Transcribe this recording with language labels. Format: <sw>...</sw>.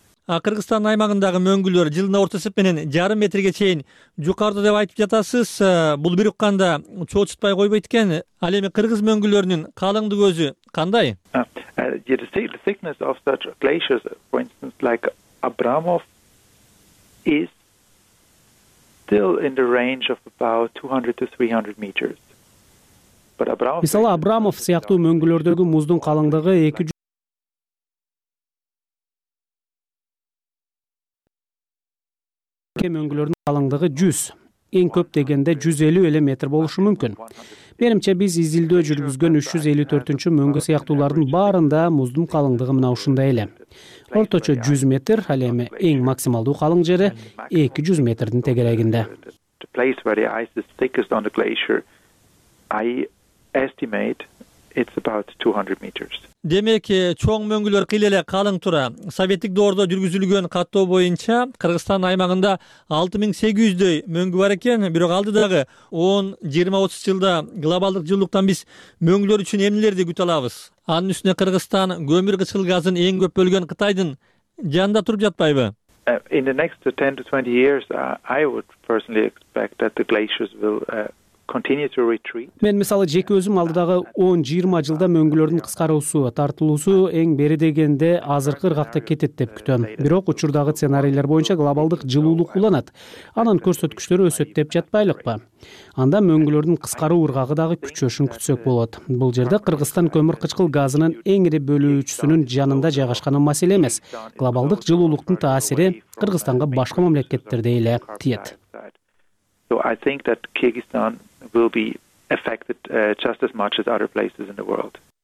<ky>А Кыргызстан аймагындагы мөңгүлөр жылына орто эсеп менен жарым метрге чейин жукарды деп айтып жатасыз. Бул бир укканда чоочутпай койбойт экен. Ал эми кыргыз мөңгүлөрүнүн калыңдыгы өзү кандай?</ky> <en>The thickness of such glaciers, for instance, like Abramov, is still in the range of about 200 to 300 meters. But Abramov,</en> <ky>мисалы Абрамов сыяктуу мөңгүлөрдөгү муздун калыңдыгы 200 кем мөңгүлөрдүн калыңдыгы 100, эң көп дегенде 150 эле метр болушу мүмкүн. Менимче биз изилдөө жүргүзгөн 354-чү мөңгү сыяктуулардын баарында муздун калыңдыгы мына ушундай эле. Орточо 100 метр, ал эми эң максималдуу калың жери 200 метрдин тегерегинде.</ky> <en>The place where the ice is thickest on the glacier, I estimate it's about 200 meters.</en> <ky>Демек, чоң мөңгүлөр кыйла эле калың тура. Советтик доордо жүргүзүлгөн каттоо боюнча Кыргызстан аймагында 6800 мөңгү бар экен, бирок алдыдагы 10-20-30 жылда глобалдык жылуулуктан биз мөңгүлөр үчүн эмнелерди күтө алабыз? Анын үстүнө Кыргызстан көмүр кычкыл газын эң көп бөлгөн Кытайдын жанында туруп жатпайбы?</ky> <en>In the next 10 to 20 years, I would personally expect that the glaciers will continue to retreat.</en> <ky>Мен мисалы жеке өзүм алдыдагы 10-20 жылда мөңгүлөрдүн кыскаруусу, тартылуусу эң бери дегенде азыркы ыргакта кетет деп күтөм. Бирок учурдагы сценарийлер боюнча глобалдык жылуулук уланат. Анын көрсөткүчтөрү өсөт деп жатпайлыкпы? Анда мөңгүлөрдүн кыскаруу ыргагы дагы күчөшүн күтсөк болот. Бул жерде Кыргызстан көмүр кычкыл газынын эң ири бөлүүчүсүнүн жанында жайгашканы маселе эмес. Глобалдык жылуулуктун таасири Кыргызстанга башка мамлекеттерде эле тиет.</ky> <en>So I think that Kyrgyzstan will be affected just as much as other places in the world.</en>